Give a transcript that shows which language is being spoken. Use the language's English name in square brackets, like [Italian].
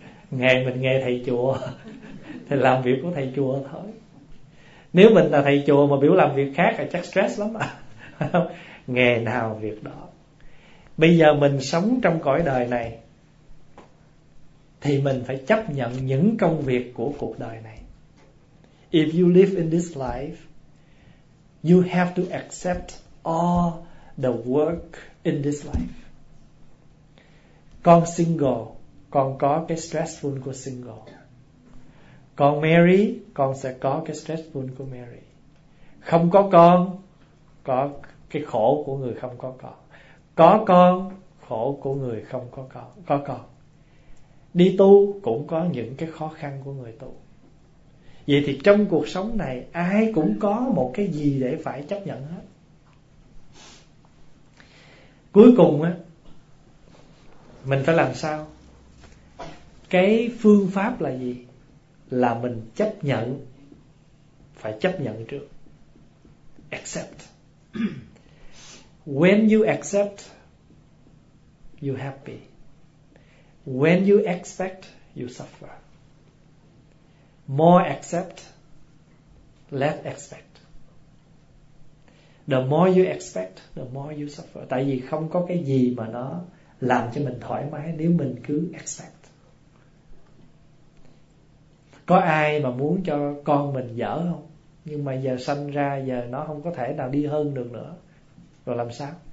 [Vietnamese] Nghề mình nghe thầy chùa, thì làm việc của thầy chùa thôi. Nếu mình là thầy chùa mà biểu làm việc khác là chắc stress lắm à. Nghề nào việc đó. Bây giờ mình sống trong cõi đời này thì mình phải chấp nhận những công việc của cuộc đời này. [English] If you live in this life, you have to accept all the work in this life. [Vietnamese] Con single, con có cái stressful của single. Con marry, con sẽ có cái stressful của marry. Không có con, có cái khổ của người không có con. Có con, khổ của người không có con. Có con. Đi tu cũng có những cái khó khăn của người tu. Vậy thì trong cuộc sống này, ai cũng có một cái gì để phải chấp nhận hết. Cuối cùng á, mình phải làm sao? Cái phương pháp là gì? Là mình chấp nhận. Phải chấp nhận trước. [English] Accept. When you accept, you happy. When you expect, you suffer. More accept, less expect. The more you expect, the more you suffer. [Vietnamese] Tại vì không có cái gì mà nó làm cho mình thoải mái nếu mình cứ expect. Có ai mà muốn cho con mình dở không? Nhưng mà giờ sanh ra, giờ nó không có thể nào đi hơn được nữa. Rồi làm sao?